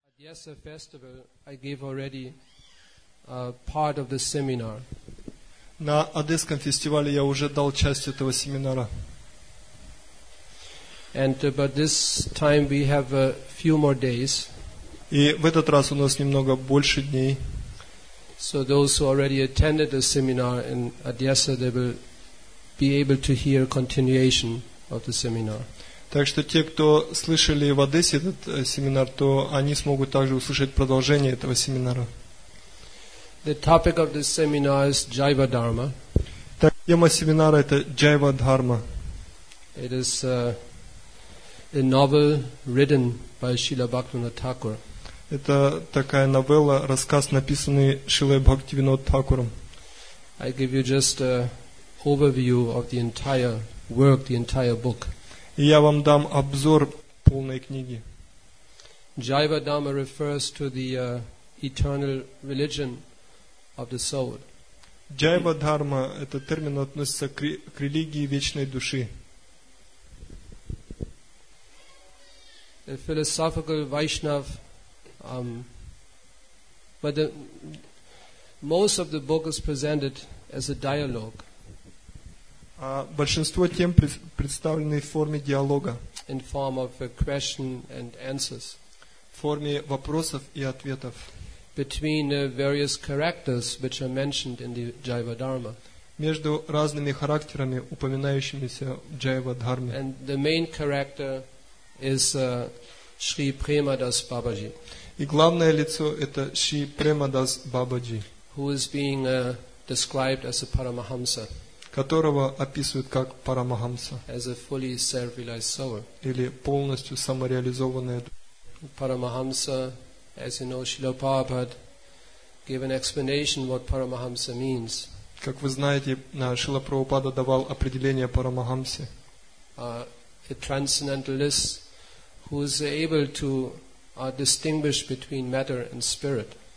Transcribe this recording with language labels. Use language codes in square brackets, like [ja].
[en] Yasser Festival, I gave already a part of the seminar. [ru] На Одесском фестивале я уже дал часть этого семинара. [en] And but this time we have a few more days. [ru] И в этот раз у нас немного больше дней. [en] So those who already attended the seminar in Odessa, they will be able to hear continuation of the seminar. [ru] Так что те, кто слышали в Одессе этот семинар, то они смогут также услышать продолжение этого семинара. [en] The topic of this seminar is Jiva Dharma. [ru] Так, тема семинара это Jiva Dharma. [en] It is a novel written by Srila Bhaktivinoda Thakur. [ru] Это такая новелла, рассказ, написанный Шрилой Бхактивинодой Тхакуром. [en] I give you just an overview of the entire work, the entire book. [ru] И я вам дам обзор полной книги. [en] Jiva Dharma refers to the eternal religion of the soul. [ru] Jiva Dharma, этот термин относится к религии вечной души. [en] A philosophical Vaishnav, but the, most of the book is presented as a dialogue. [ru] Большинство тем представлены в форме диалога. [en] In form of a question and answers. [ru] В форме вопросов и ответов. [en] Between various characters which are mentioned in the Jiva Dharma. [ru] Между разными характерами, упоминающимися в Jiva Dharma. [en] And the main character is Shri Premadas Babaji. [ru] И главное лицо это Шри Премадас Бабаджи. [en] Who is being described as a Paramahamsa. [ru] Которого описывают как Парамахамса. [en] As a fully self-realized soul. [ru] Или полностью самореализованная душа. [en] Парамахамса, as you know, Шрила Прабхупада gave an explanation what Парамахамса means. [ru] Как вы знаете, Шрила Прабхупада давал определение Парамахамсе. [en] A transcendentalist who is able to distinguish between matter and spirit.